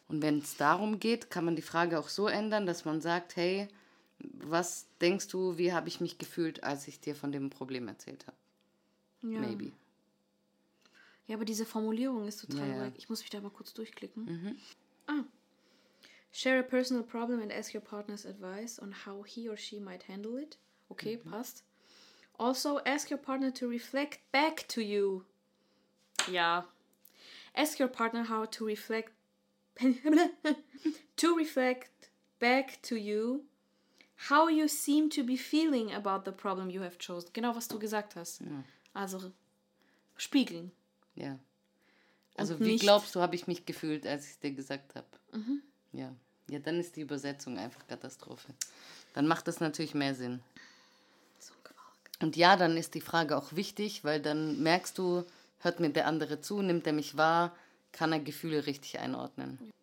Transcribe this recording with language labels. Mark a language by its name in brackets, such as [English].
[German] Und wenn es darum geht, kann man die Frage auch so ändern, dass man sagt, hey, was denkst du, wie habe ich mich gefühlt, als ich dir von dem Problem erzählt habe? Ja. [English] Maybe. [German] Ja, aber diese Formulierung ist total weg. Ich muss mich da mal kurz durchklicken. Mhm. Ah. [English] Share a personal problem and ask your partner's advice on how he or she might handle it. Okay, mhm. [German] Passt. [English] Also, ask your partner to reflect back to you. Ja. Ask your partner how to reflect... to reflect back to you how you seem to be feeling about the problem you have chosen. [German] Genau, was du gesagt hast. Ja. Also, spiegeln. Ja. Also, und wie nicht, glaubst du, habe ich mich gefühlt, als ich dir gesagt habe? Mhm. Ja. Ja, dann ist die Übersetzung einfach Katastrophe. Dann macht das natürlich mehr Sinn. So ein Quark. Und ja, dann ist die Frage auch wichtig, weil dann merkst du, hört mir der andere zu, nimmt er mich wahr, kann er Gefühle richtig einordnen.